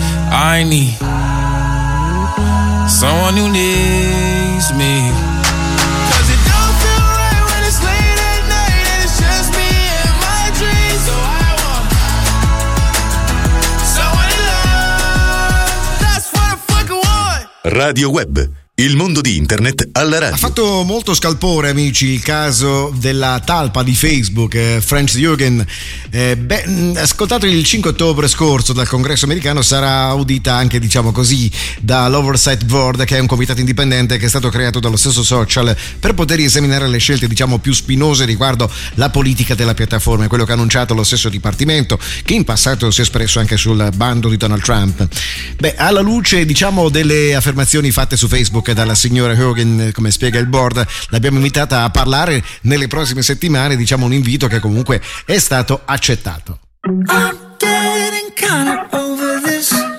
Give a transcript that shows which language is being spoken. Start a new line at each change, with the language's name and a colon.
English: I need someone who needs me. Cause it don't feel right when it's late at night and it's just me and my dreams. So I want someone to love. That's what I fucking want.
Italian: Radio Web, il mondo di internet alla radio. Ha fatto molto scalpore, amici, il caso della talpa di Facebook, Franz Jürgen. Ascoltato il 5 ottobre scorso dal congresso americano, sarà audita anche, diciamo così, dall'Oversight Board, che è un comitato indipendente che è stato creato dallo stesso social per poter esaminare le scelte, diciamo, più spinose riguardo la politica della piattaforma, quello che ha annunciato lo stesso dipartimento, che in passato si è espresso anche sul bando di Donald Trump. Beh, alla luce, diciamo, delle affermazioni fatte su Facebook dalla signora Hogan, come spiega il board, l'abbiamo invitata a parlare nelle prossime settimane, diciamo un invito che comunque è stato accettato.
English: I'm getting kinda over this.